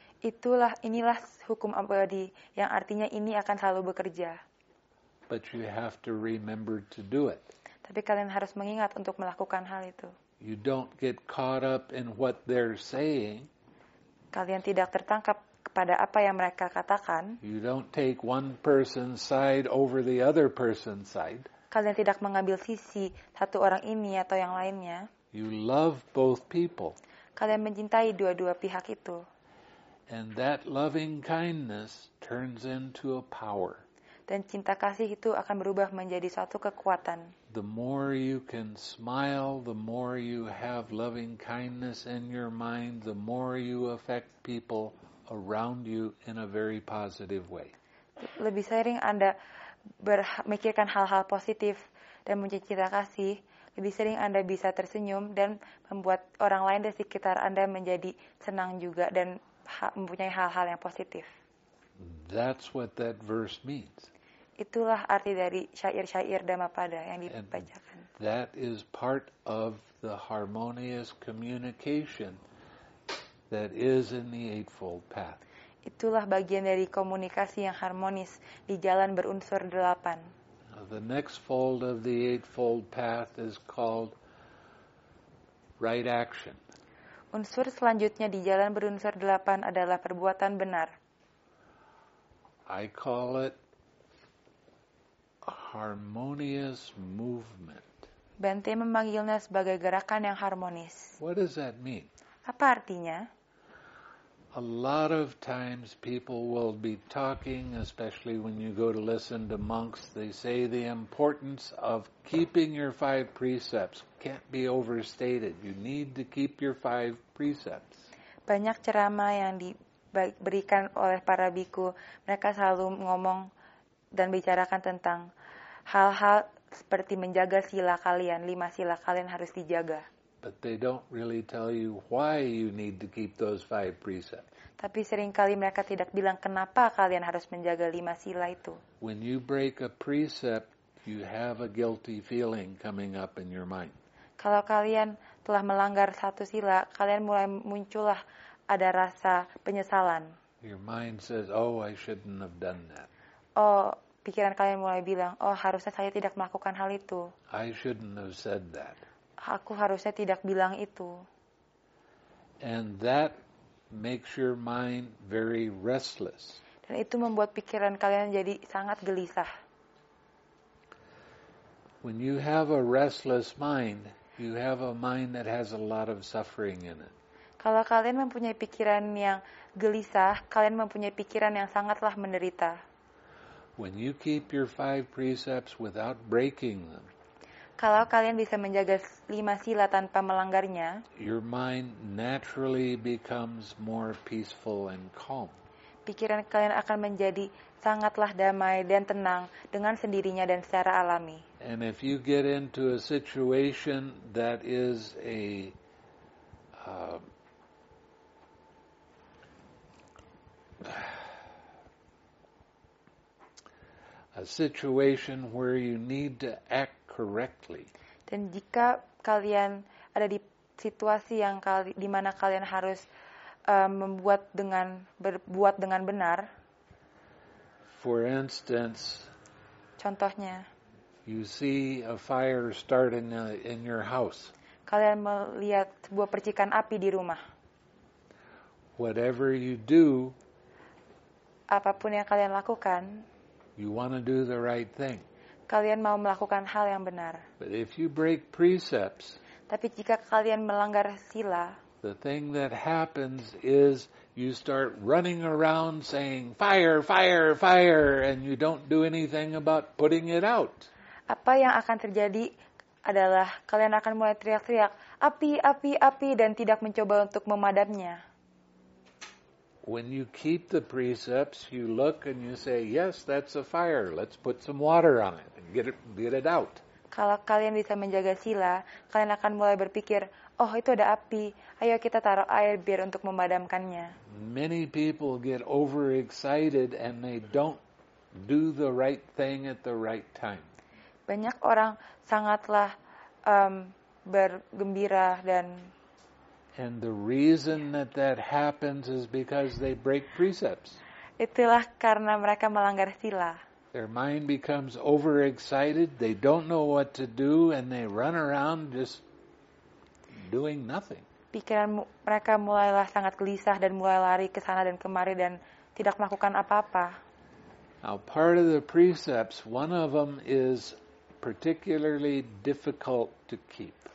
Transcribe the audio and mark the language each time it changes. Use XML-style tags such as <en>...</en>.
<id>Inilah hukum abadi yang artinya ini akan selalu bekerja.</id> <en>But you have to remember to do it.</en> <id>Tapi kalian harus mengingat untuk melakukan hal itu.</id> <en>You don't get caught up in what they're saying.</en> <id>Kalian tidak tertangkap kepada apa yang mereka katakan.</id> <en>You don't take one person's side over the other person's side.</en> <id>Kalian tidak mengambil sisi satu orang ini atau yang lainnya.</id> <en>You love both people.</en> <id>Kalian mencintai dua-dua pihak itu.</id> <en>And that loving kindness turns into a power.</en> <id>Dan cinta kasih itu akan berubah menjadi suatu kekuatan.</id> <en>The more you can smile, the more you have loving kindness in your mind, the more you affect people around you in a very positive way.</en> <id>Lebih sering Anda memikirkan hal-hal positif dan mempunyai cinta kasih, lebih sering Anda bisa tersenyum dan membuat orang lain di sekitar Anda menjadi senang juga dan mempunyai hal-hal yang positif.</id> <en>That's what that verse means.</en> <id>Itulah arti dari syair-syair Dhammapada yang dibacakan.</id> <en>And that is part of the harmonious communication that is in the Eightfold Path.</en> <id>Itulah bagian dari komunikasi yang harmonis di jalan berunsur delapan.</id> <en>The next fold of the Eightfold Path is called right action.</en> <id>Unsur selanjutnya di jalan berunsur delapan adalah perbuatan benar.</id> <en>I call it harmonious movement.</en> <id>Bente memanggilnya sebagai gerakan yang harmonis.</id> <en>What does that mean?</en> <id>Apa artinya?</id> <en>A lot of times people will be talking, especially when you go to listen to monks, they say the importance of keeping your five precepts can't be overstated. You need to keep your five precepts.</en> <id>Banyak ceramah yang diberikan oleh para biku, mereka selalu ngomong dan bicarakan tentang hal-hal seperti menjaga sila kalian, lima sila kalian harus dijaga.</id> <en>But they don't really tell you why you need to keep those five precepts.</en> <id>Tapi seringkali mereka tidak bilang kenapa kalian harus menjaga lima sila itu.</id> <en>When you break a precept, you have a guilty feeling coming up in your mind.</en> <id>Kalau kalian telah melanggar satu sila, kalian mulai muncullah ada rasa penyesalan.</id> <en>Your mind says, "Oh, I shouldn't have done that."</en> <id>Oh, pikiran kalian mulai bilang, "Oh, harusnya saya tidak melakukan hal itu."</id> <en>I shouldn't have said that.</en> <id>Aku harusnya tidak bilang itu.</id> <en>And that makes your mind very restless.</en> <id>Dan itu membuat pikiran kalian jadi sangat gelisah.</id> <en>When you have a restless mind, you have a mind that has a lot of suffering in it.</en> <id>Kalau kalian mempunyai pikiran yang gelisah, kalian mempunyai pikiran yang sangatlah menderita.</id> <en>When you keep your five precepts without breaking them,</en> <id>kalau kalian bisa menjaga lima sila tanpa melanggarnya,</id> <en>your mind naturally becomes more peaceful and calm.</en> <id>Pikiran kalian akan menjadi sangatlah damai dan tenang dengan sendirinya dan secara alami.</id> <en>And if you get into a situation that is a situation where you need to act correctly.</en> <id>Dan jika kalian ada di situasi yang di mana kalian harus berbuat dengan benar.</id> <en>For instance,</en> <id>contohnya,</id> <en>you see a fire start in your house.</en> <id>Kalian melihat sebuah percikan api di rumah.</id> <en>Whatever you do,</en> <id>apapun yang kalian lakukan,</id> <en>you want to do the right thing.</en> <id>Kalian mau melakukan hal yang benar.</id> <en>But if you break precepts,</en> <id>tapi jika kalian melanggar sila,</id> <en>the thing that happens is you start running around saying fire, fire, fire, and you don't do anything about putting it out.</en> <id>Apa yang akan terjadi adalah kalian akan mulai teriak-teriak api, api, api, dan tidak mencoba untuk memadamnya.</id> <en>When you keep the precepts, you look and you say, "Yes, that's a fire. Let's put some water on it and get it out."</en> <id>Kalau kalian bisa menjaga sila, kalian akan mulai berpikir, "Oh, itu ada api. Ayo kita taruh air biar untuk memadamkannya."</id> <en>Many people get overexcited and they don't do the right thing at the right time.</en> <id>Banyak orang sangatlah bergembira dan</id> <en>And the reason that happens is because they break precepts.</en> <id>Itulah karena mereka melanggar sila.</id> <en>Their mind becomes overexcited, they don't know what to do, and they run around just doing nothing.</en> <id>Pikiran mereka mulailah sangat gelisah dan mulai lari ke sana dan kemari dan tidak melakukan apa-apa.</id> <en>Now part of the precepts, one of them is particularly difficult to keep.</en>